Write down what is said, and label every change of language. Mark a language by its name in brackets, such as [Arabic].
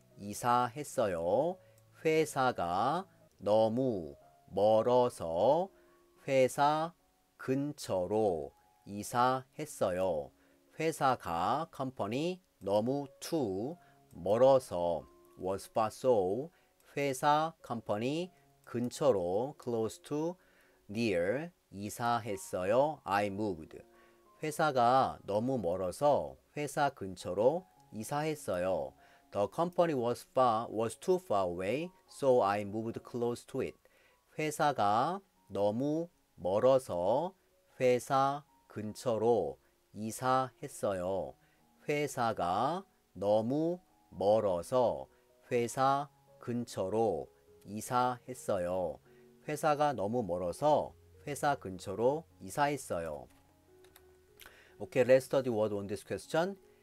[Korean] 이사했어요. 회사가 너무 멀어서 회사 근처로 이사했어요. 회사가 company 너무 too 멀어서 [English] was far so [Korean] 회사 company 근처로 [English] close to near [Korean] 이사했어요. [English] I moved. [Korean] 회사가 너무 멀어서 회사 근처로 이사했어요. [English] The company was too far away, so I moved close to it. [Korean] 회사가 너무 멀어서 회사 근처로 이사했어요. 회사가 너무 멀어서 회사 근처로 이사했어요. 회사가 너무 멀어서 회사 근처로 이사했어요. [English] Okay, let's study word on this question.